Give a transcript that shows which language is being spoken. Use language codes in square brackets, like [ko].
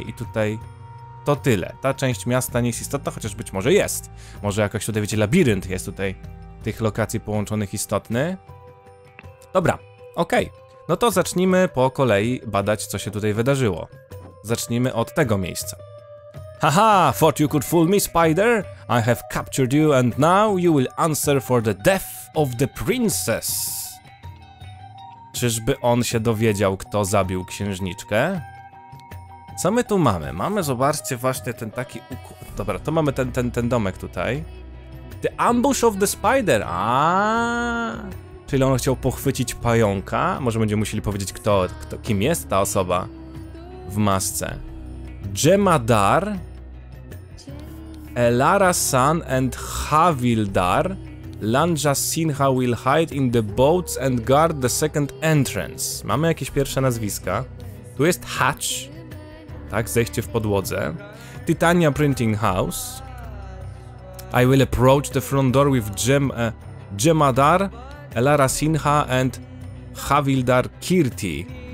[pl] Okay. I tutaj to tyle. Ta część miasta nie jest istotna, chociaż być może jest. Może jakoś tutaj, wiecie, labirynt jest tutaj tych lokacji połączonych istotny. Dobra, okej. Okay. No to zacznijmy po kolei badać, co się tutaj wydarzyło. Zacznijmy od tego miejsca. [en] Haha, thought you could fool me, spider? I have captured you and now you will answer for the death of the princess. [pl] Czyżby on się dowiedział, kto zabił księżniczkę? Co my tu mamy? Mamy, zobaczcie, właśnie ten taki układ. Dobra, to mamy ten domek tutaj. [en] The ambush of the spider! [pl] Aaaa! Czyli on chciał pochwycić pająka? Może będziemy musieli powiedzieć, kim jest ta osoba w masce. [en] Jemadar, Elara-san and Havildar, Lanja Sinha will hide in the boats and guard the second entrance. [pl] Mamy jakieś pierwsze nazwiska. Tu jest hatch, tak, zejście w podłodze. [en] Titania Printing House. I will approach the front door with Jemadar, Elara Sinha and Havildar Kirti.